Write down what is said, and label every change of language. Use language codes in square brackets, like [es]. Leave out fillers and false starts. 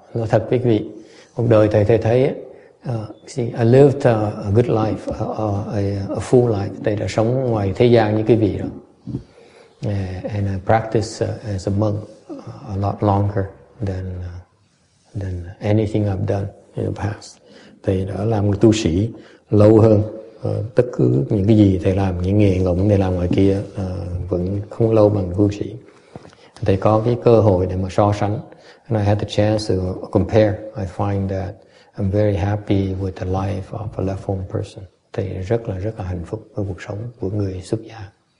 [vi] Nói thật quý vị, cuộc đời thầy thấy ấy, [en] see, I lived a good life, a full life. [vi] Thầy đã sống ngoài thế gian như quý vị đó. [en] And I practiced as a monk a lot longer than anything I've done in the past. [vi] Thầy đã làm tu sĩ lâu hơn tất cứ những cái gì thầy làm, những nghề ngộng thầy làm ngoài kia vẫn không lâu bằng tu sĩ. Thầy có cái cơ hội để mà so sánh. [en] And I had the chance to compare. I find that I'm very happy with the life of a left home person. [vi] Thầy rất là hạnh phúc với cuộc sống của người xuất gia.